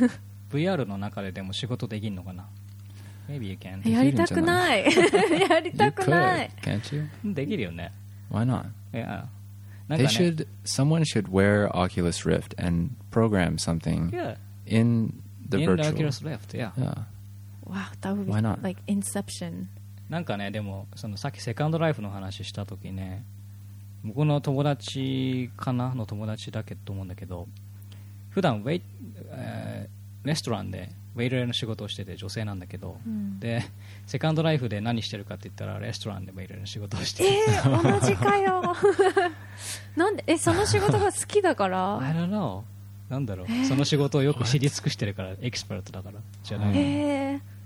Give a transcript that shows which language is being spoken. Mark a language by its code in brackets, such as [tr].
[ja] 鼻水出てるうちは。いや。VRの中ででも仕事できんのかな? [en] Maybe you can. [ja] やりたくない。やりたくない。できるよね。 [en] Why not? Yeah. They should, someone should wear Oculus Rift and program something in the virtual. In the Oculus Rift, yeah. Wow, that would be Why not? Like Inception. [ja] なんかね、でもさっきセカンドライフの話した時ね、 僕の友達かなの友達だけと思うんだけど、普段レストランでウェイターの仕事をしてて女性なんだけど、でセカンドライフで何してるかって言ったらレストランでウェイターの仕事をしてて、同じかよ。なんでその仕事が好きだから [en] I don't know [ja] なんだろう、その仕事をよく知り尽くしてるからエキスパートだからじゃない。